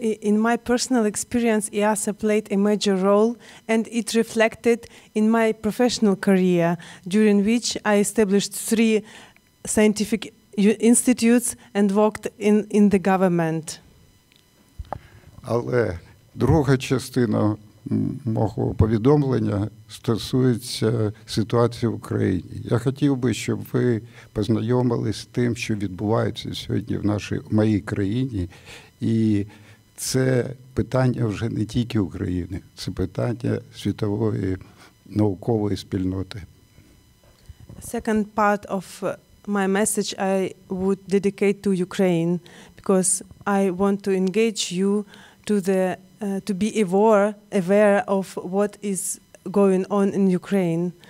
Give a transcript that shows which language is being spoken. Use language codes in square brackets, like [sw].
[en] In my personal experience, IIASA played a major role, and it reflected in my professional career, during which I established 3 scientific institutes and worked in the government. [uk] Але друга частина мого повідомлення стосується ситуації в Україні. Я хотів би, щоб ви познайомились з тим, що відбувається сьогодні в нашій, в моїй країні, і це питання вже не тільки України, це питання світової наукової спільноти. [en] Second part of my message I would dedicate to Ukraine, because I want to engage you to the to be aware of what is going on in Ukraine.